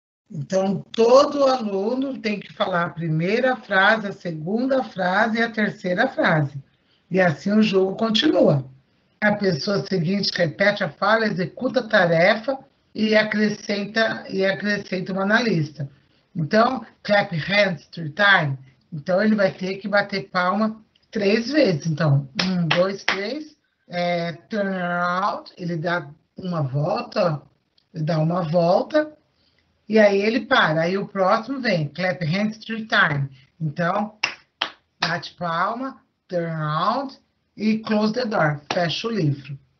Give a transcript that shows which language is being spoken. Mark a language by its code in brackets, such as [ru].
[pt] Então, todo aluno tem que falar a primeira frase, a segunda frase e a terceira frase. E assim o jogo continua. A pessoa seguinte repete a fala, executa a tarefa e acrescenta uma na lista. Então, [en] clap hands three times. [pt] Então, ele vai ter que bater palma três vezes. Então, um, dois, três. [en] Turn around, [pt] ele dá uma volta, ó, ele dá uma volta. E aí ele para, aí o próximo vem, [en] clap hands three times. [pt] Então, bate palma, [en] turn around [pt] e [en] close the door, [pt] fecha o livro.